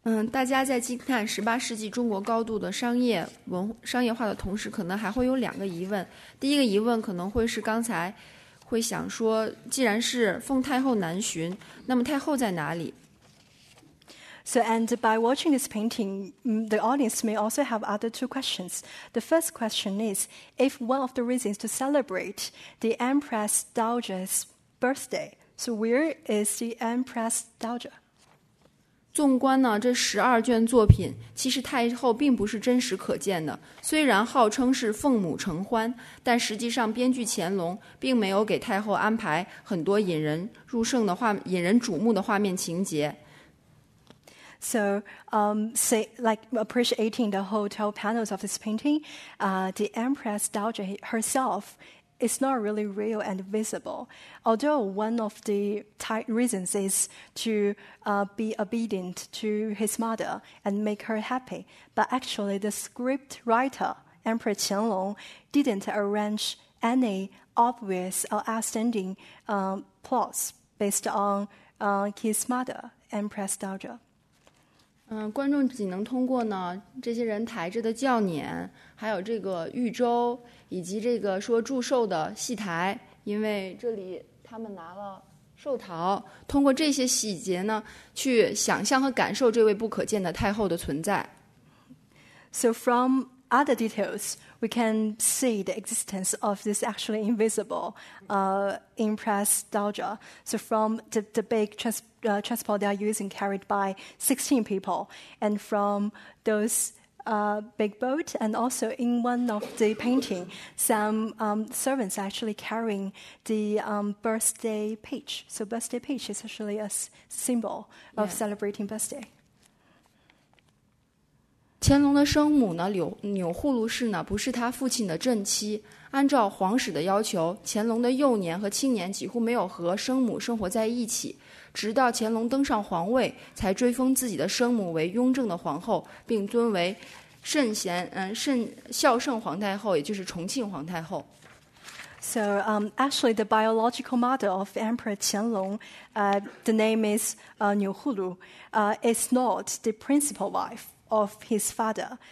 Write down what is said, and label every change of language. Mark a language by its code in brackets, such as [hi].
[zh] 大家在惊叹十八世纪中国高度的商业化的同时，可能还会有两个疑问。第一个疑问可能会是刚才会想说，既然是奉太后南巡，那么太后在哪里？ [en] So and by watching this painting, the audience may also have other two questions. The first question is, if one of the reasons to celebrate the Empress Dowager's birthday, so where is the Empress Dowager? [zh] 纵观呢，这十二卷作品，其实太后并不是真实可见的。虽然号称是奉母承欢，但实际上编剧乾隆并没有给太后安排很多引人入胜的画、引人瞩目的画面情节。 [en] So, say like appreciating the hotel panels of this painting, the Empress Dowager herself. It's not really real and visible. Although one of the reasons is to be obedient to his mother and make her happy, but actually the script writer, Emperor Qianlong, didn't arrange any obvious or outstanding plots based on his mother, Empress Dowager. [zh] 观众只能通过呢这些人抬着的轿辇，还有这个御舟，以及这个说祝寿的戏台，因为这里他们拿了寿桃，通过这些细节呢去想象和感受这位不可见的太后的存在。 [en] So from other details we can see the existence of this actually invisible Empress Dowager. So from the big transport they are using carried by 16 people, and from thoseBig boat, and also in one of the painting, some servants actually carrying the birthday peach. So birthday peach is actually a symbol of celebrating birthday. [zh] 乾隆的生母呢，钮祜禄氏呢，不是他父亲的正妻。按照皇室的要求，乾隆的幼年和青年几乎没有和生母生活在一起。直到乾隆登上皇位，才追封自己的生母为雍正的皇后，并尊为孝圣皇太后，也就是重庆皇太后。 [en] So, actually, the biological mother of Emperor Qianlong, the name is Niuhulu, is not the principal wife of his father.